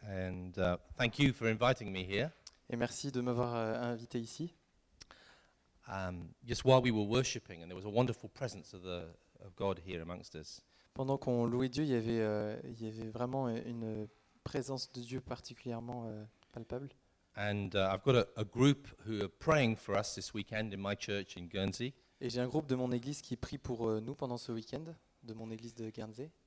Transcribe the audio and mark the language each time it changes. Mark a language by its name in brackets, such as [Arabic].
[English] And thank you for inviting me here. [French] Et merci de m'avoir invité ici. [English] Just while we were worshiping, and there was a wonderful presence of the of God here amongst us. [French] Pendant qu'on louait Dieu, il y avait vraiment une présence de Dieu particulièrement palpable. [English] And I've got a group who are praying for us this weekend in my church in Guernsey. [French] Et j'ai un groupe de mon église qui prie pour nous pendant ce week-end, de mon église de Guernsey.